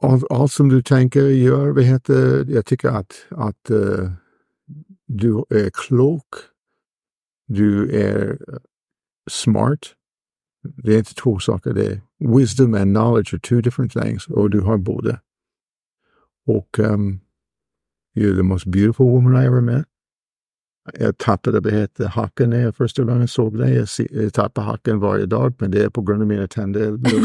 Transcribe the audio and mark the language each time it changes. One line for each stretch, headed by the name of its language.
Swedish: Allt som du tänker gör, jag tycker att du är klok, du är smart. Det är inte två saker, det är
English: wisdom and knowledge are two different things,
Swedish: och du har båda. Och
English: you're the most beautiful woman I ever met.
Swedish: Jag tappade hacken när jag första gången såg dig. Jag tappade hacken varje dag, men det är på grund av mina tänder.